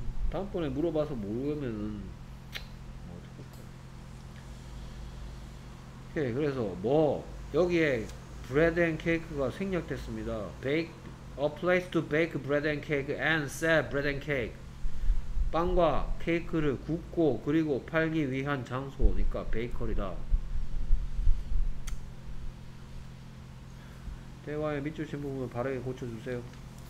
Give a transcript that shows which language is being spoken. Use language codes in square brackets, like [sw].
[ko] 다음번에 물어봐서 모르면은 뭐 어떡할까. 오케이, 그래서 뭐 여기에 [en] bread and cake [ko] 가 생략됐습니다. [en] Bake a place to bake bread and cake and sell bread and cake. [ko] 빵과 케이크를 굽고 그리고 팔기 위한 장소니까 베이커리다. 대화의 밑줄 친 부분을 바르게 고쳐주세요.